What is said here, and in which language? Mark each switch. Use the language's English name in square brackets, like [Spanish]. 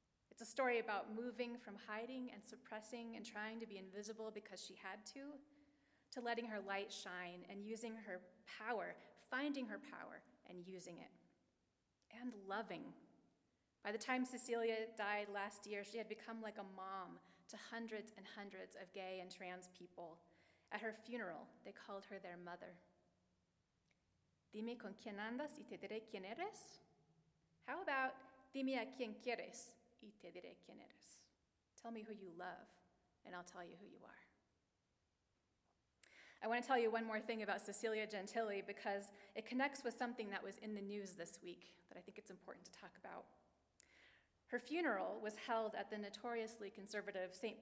[English] It's a story about moving from hiding and suppressing and trying to be invisible because she had to letting her light shine and using her power, finding her power and using it, and loving. By the time Cecilia died last year, she had become like a mom to hundreds and hundreds of gay and trans people. At her funeral, they called her their mother. [Spanish] Dime con quién andas y te diré quién eres. [English] How about [Spanish] dime a quién quieres y te diré quién eres. [English] Tell me who you love and I'll tell you who you are. I want to tell you one more thing about Cecilia Gentile because it connects with something that was in the news this week that I think it's important to talk about. Her funeral was held at the notoriously conservative St.